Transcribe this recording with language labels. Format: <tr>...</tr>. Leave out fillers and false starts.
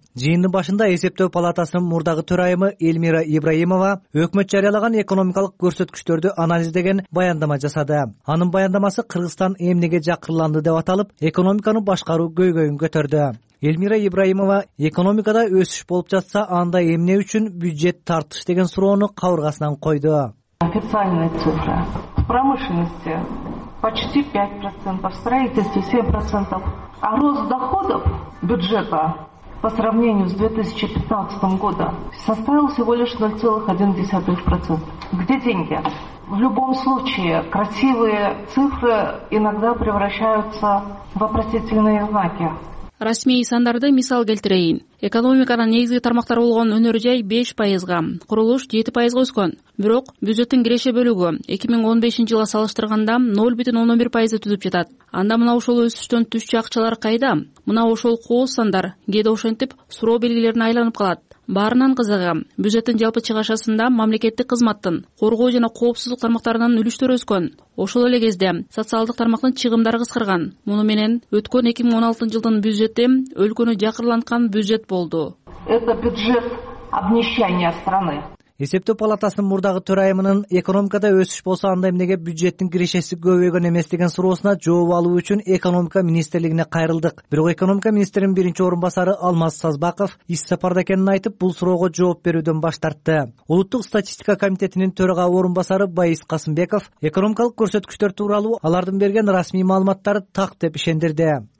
<ky>Жыйындын башында эсептөө палатасынын мурдагы төрайымы Элмира Ибраимова өкмөт жарыялаган экономикалык көрсөткүчтөрдү анализдеген баяндама жасады. Анын баяндамасы Кыргызстан эмнеге жакырланды деп аталып, экономиканы башкаруу көйгөйүн көтөрдү. Элмира Ибраимова экономикада өсүш болуп жатса, анда эмне үчүн бюджет тартыш деген суроону кабыргасынан койду.</ky> <ru>Официальная цифра. В промышленности почти 5%, в строительстве 7%. А рост доходов бюджета по сравнению с 2015 года составил всего лишь 0.1%. Где деньги? В любом случае, красивые цифры иногда превращаются в вопросительные знаки.</ru> <ky>Расмий сандарды мисал келтирейин. Экономиканын негизги тармактары болгон өнөр жай 5%, курулуш 7% өскөн. Бирок бюджеттин киреше бөлүгү 2015 жылга салыштырганда 0.11% түзүп жатат. Анда мына ошол өсүштөн түшчү акчалар кайда? Мына ошол кооз сандар кээде ошентип суроо белгилерине айланып калат. Баарынан кызыгы, бюджеттин жалпы чыгашасында мамлекеттик кызматтын, коргоо жана коопсуздук тармактарынын үлүштөрү өскөн. Ошол эле кезде социалдык тармактын чыгымдары кыскарган. Муну менен өткөн 2016 жылдын бюджети өлкөнү жакырланткан бюджет болду.</ky> <ru>Это бюджет обнищания страны.</ru> <ky>Эсептөө палатасынын мурдагы төрайымынын экономикада өсүш болсо анда эмнеге бюджеттин кирешеси көбөйгөн эмес деген суроосуна жооп алуу үчүн экономика министрлигине кайрылдык. Бирок экономика министринин биринчи орун басары Алмаз Сазбаков иш сапарда экенин айтып, бул суроого жооп берүүдөн баш тартты. Улуттук статистика комитетинин төрага орун басары Байыс Касымбеков экономикалык көрсөткүчтөр тууралуу алардын берген расмий маалыматтары так деп ишендирди.</ky>